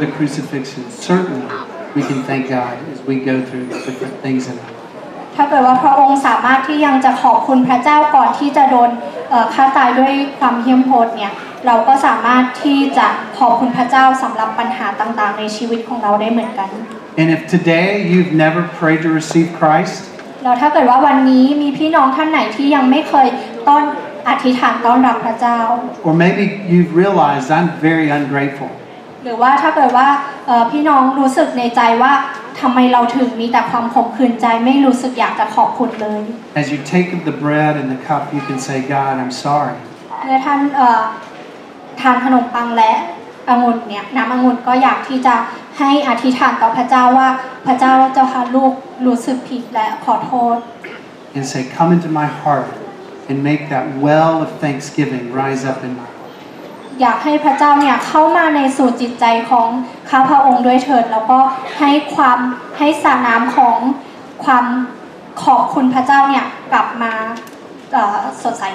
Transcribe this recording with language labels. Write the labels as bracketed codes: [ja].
[en] the crucifixion certainly we can thank God as we go through different things in our life [th] ถ้าเกิดว่าพระองค์สามารถที่ยังจะขอบคุณพระเจ้าก่อนที่จะโดนฆ่าตายด้วยความเหี้ยมโหดเนี่ยเราก็สามารถที่จะขอบคุณพระเจ้าสำหรับปัญหาต่างๆในชีวิตของเราได้เหมือนกัน [en] And if today you've never prayed to receive Christ [th] เราถ้าเกิดว่าวันนี้มีพี่น้องท่านไหนที่ยังไม่เคยต้อนอธิษฐานต้อนรับพระเจ้า [en] Or maybe you've realized I'm very ungrateful [th] หรือว่าถ้าเกิดว่าพี่น้องรู้สึกในใจว่าทำไมเราถึงมีแต่ความขมขื่นใจไม่รู้สึกอยากจะขอบคุณเลย [en] As you take the bread and the cup you can say God I'm sorry [th] เมื่อท่านทานขนมปังและองุ่นเนี่ยน้ำองุ่นก็อยากที่จะให้อธิษฐานต่อพระเจ้าว่าพระเจ้าเจ้าค่ะลูกรู้สึกผิดและขอโทษ [en] And say come into my heart and make that well of thanksgiving rise up in my heart [th] อยากให้พระเจ้าเนี่ยเข้ามาในสู่จิตใจของข้าพระองค์ด้วยเถิดแล้วก็ให้ความให้สระน้ำของความขอบคุณพระเจ้าเนี่ยกลับมาสดใส